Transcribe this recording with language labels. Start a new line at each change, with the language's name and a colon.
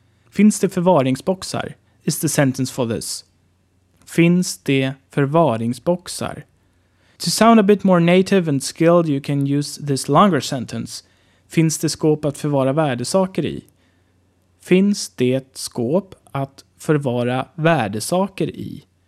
Swedish: Finns det förvaringsboxar? Is the sentence for this. Finns det förvaringsboxar?
English: To sound a bit more native and skilled, you can use this longer sentence.
Swedish: Finns det skåp att förvara värdesaker i? Finns det skåp att förvara värdesaker i?